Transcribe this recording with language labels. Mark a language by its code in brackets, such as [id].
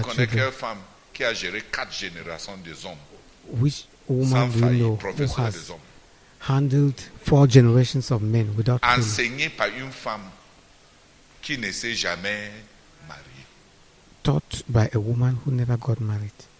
[fr] tu connais quelle femme qui a géré quatre générations des hommes? [en] Which woman do you know who has handled four generations of men without him? [fr] Enseignée par une femme qui ne s'est jamais mariée. [en] Taught by a woman who never got married.